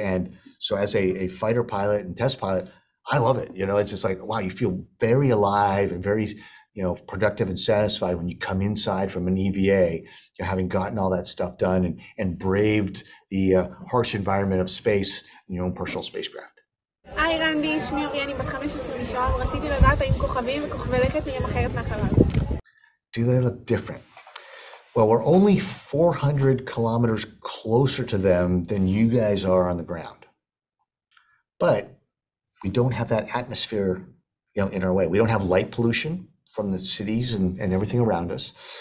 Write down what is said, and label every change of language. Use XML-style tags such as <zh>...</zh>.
<en>And so as a fighter pilot and test pilot, I love it. You know, it's just like, wow, you feel very alive and very, you know, productive and satisfied when you come inside from an EVA, you're having gotten all that stuff done and braved the harsh environment of space in your own personal spacecraft.</en> <he>היי רנדי, שמי אורי, אני בת 15 משוער, רציתי לדעת האם כוכבים וכוכבי לכת נראים אחרת מהחלל.</he> <en>Do they look different? Well, we're only 400 kilometers closer to them than you guys are on the ground. But we don't have that atmosphere, you know, in our way. We don't have light pollution from the cities and everything around us.</en>